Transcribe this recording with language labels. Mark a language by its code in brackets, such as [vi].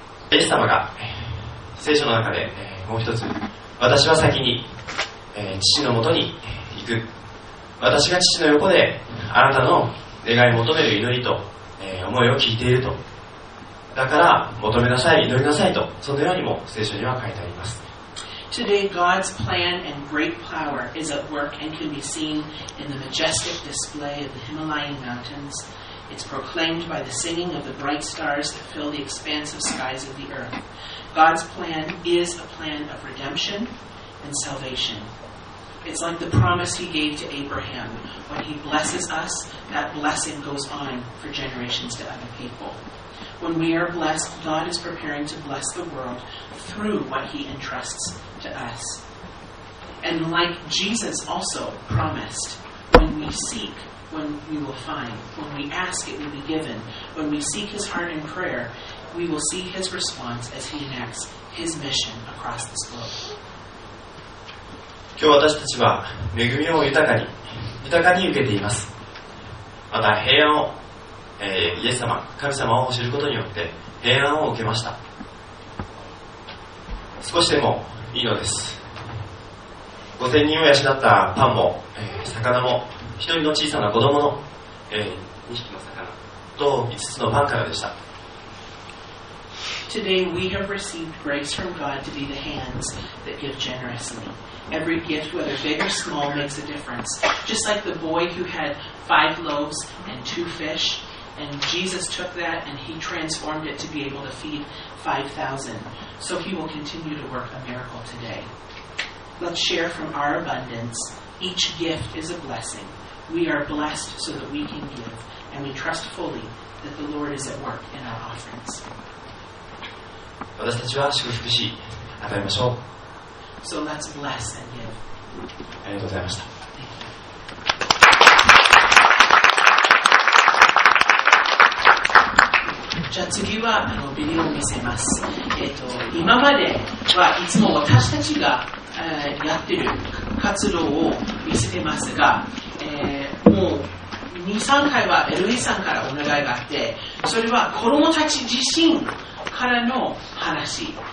[ja] イエス様が聖書の中でもう一つ私は先に父のもとに行く私が父の横であなたの願い求める祈りと思いを聞いているとだから求めなさい祈りなさいとそのようにも聖書には書いてあります。 [en] Today God's plan and great power is at work and can be seen in the majestic display of the Himalayan mountainsIt's proclaimed by the singing of the bright stars that fill the expansive skies of the earth. God's plan is a plan of redemption and salvation. It's like the promise he gave to Abraham. When he blesses us, that blessing goes on for generations to other people. When we are blessed, God is preparing to bless the world through what he entrusts to us. And like Jesus also promised, when we seek,When we will find, when we ask, it will be given. When we seek His heart in prayer, we will see His response as He enacts His mission across this globe. [ja] 今日私たちは恵みを豊かに受けています。また平安を、イエス様、神様を知ることによって平安を受けました。少しでもいいのです。五千人を養ったパンも、魚も。一人の小さな子供の、2匹の魚と5つのパンからでした。 [en] Today we have received grace from God to be the hands that give generously. Every gift, whether big or small, makes a difference. Just like the boy who had 5 loaves and 2 fish, and Jesus took that and he transformed it to be able to feed 5,000. So he will continue to work a miracle today. Let's share from our abundance. Each gift is a blessing. We are blessed so that we can give, and we trust fully that the Lord is at work in our offerings. [ja] 私たちは祝福し、与えましょう。 [en] So let's bless and give. [ja] ありがとうございました。じゃあ次はビデオを見せます。今まではいつも私たちが、やってる活動を見せてますが、もう2、3回はエルイさんからお願いがあって、それは子供たち自身からの話、